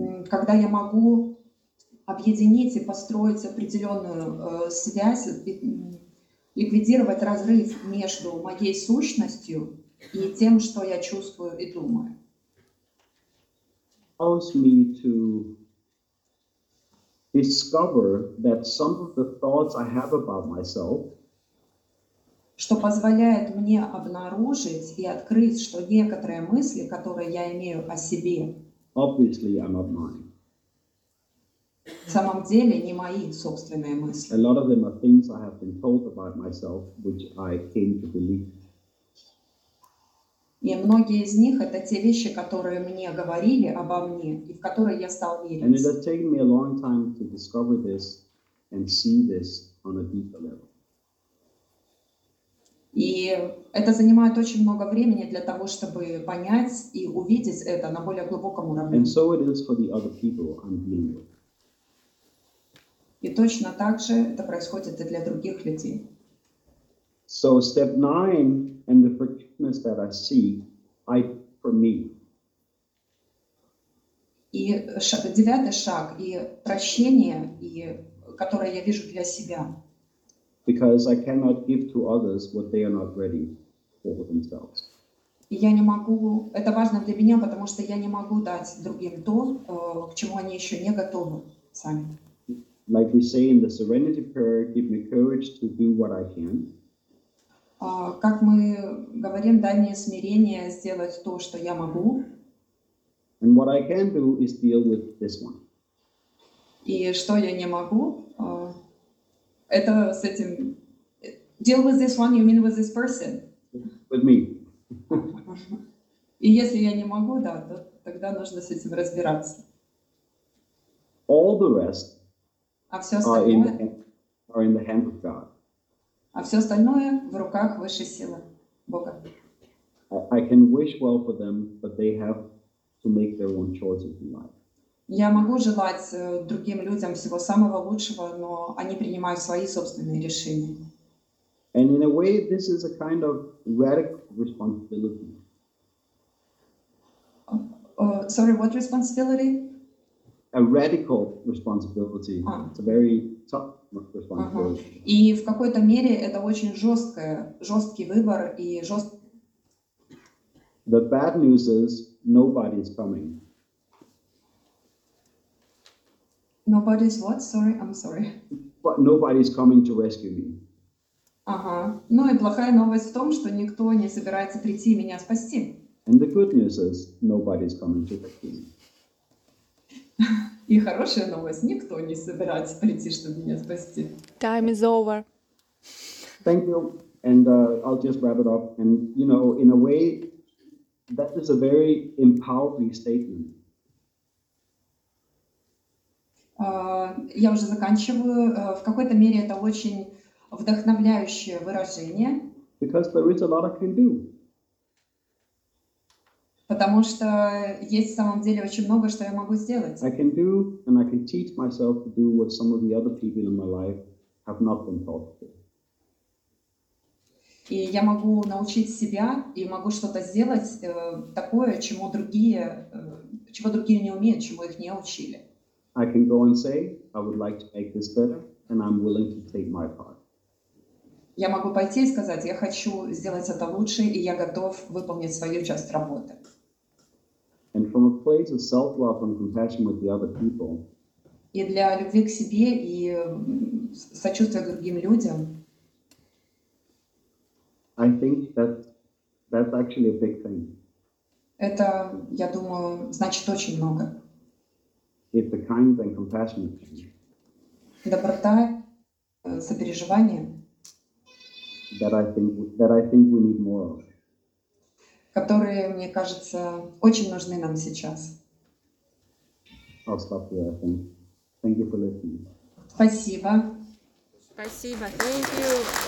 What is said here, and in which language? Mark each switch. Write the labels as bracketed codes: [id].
[ru] Когда я могу объединить и построить определенную связь, ликвидировать разрыв между моей сущностью и тем, что я чувствую и думаю. [en] Allows me to discover that some of the thoughts I have about myself, [ru] что позволяет мне обнаружить и открыть, что некоторые мысли, которые я имею о себе, [en] obviously are not mine. [ru] в самом деле не мои собственные мысли. [en] A lot of them are things I have been told about myself, which I came to believe. [ru] И многие из них — это те вещи, которые мне говорили обо мне и в которые я стал верить. [en] And it has taken me a long time to discover this and see this on a deeper level. [ru] И это занимает очень много времени для того, чтобы понять и увидеть это на более глубоком уровне. [en] And so it is for the other people I'm dealing with. [ru] И точно так же это происходит и для других людей. [en] So step 9 and the forgiveness that I seek, I for me. [ru] И шаг, девятый шаг, и прощение, и которое я вижу для себя. [en] Because I cannot give to others what they are not ready for themselves. [ru] Я не могу, это важно для меня, потому что я не могу дать другим то, к чему они еще не готовы сами. [en] Like we say in the Serenity Prayer, give me courage to do what I can. [ru] Как мы говорим, дай мне смирение сделать то, что я могу. [en] And what I can do is deal with this one. [ru] И что я не могу? Это с этим... [en] Deal with this one, you mean with this person? With me. [ru] И если я не могу, да, то тогда нужно с этим разбираться. [en] All the rest are in the hand of God. [ru] А все остальное в руках высшей силы, Бога. [en] I can wish well for them, but they have to make their own choices in life. [ru] Я могу желать другим людям всего самого лучшего, но они принимают свои собственные решения. [en] And in a way, this is a kind of radical responsibility. Sorry, what responsibility? A radical responsibility. It's a very tough responsibility. Uh-huh. [ru] И в какой-то мере это очень жесткое, жесткий выбор и жест. [en] The bad news is nobody is coming. Nobody's what? Sorry, I'm sorry. But nobody's coming to rescue me. Ага. [ru] Ну и плохая новость в том, что никто не собирается прийти меня спасти. [en] And the good news is nobody's coming to rescue me. [ru] И хорошая новость. Никто не собирается прийти, чтобы меня спасти. [en] Time is over. Thank you. And I'll just wrap it up. And, you know, in a way, that is a very empowering statement. [ru] Я уже заканчиваю. В какой-то мере это очень вдохновляющее выражение. [en] Because there is a lot I can do. [ru] Потому что есть в самом деле очень много, что я могу сделать. [en] I can do and I can teach myself to do what some of the other people in my life have not been taught to. [ru] И я могу научить себя и могу что-то сделать такое, чего другие не умеют, чему их не учили. [en] I can go and say, I would like to make this better, and I'm willing to take my part. [ru] Я могу пойти и сказать, я хочу сделать это лучше, и я готов выполнить свою часть работы. [en] And from a place of self-love and compassion with the other people. [ru] И для любви к себе и сочувствия к другим людям. [en] I think that's actually a big thing. [ru] Это, я думаю, значит очень много. [en] If the kind and compassionate thing. [ru] Доброта, сопереживание. [en] That I think we need more of. [ru] Которые, мне кажется, очень нужны нам сейчас. [en] I'll stop there, I think. Thank you for listening. [ru] Спасибо. Спасибо. [en] Thank you.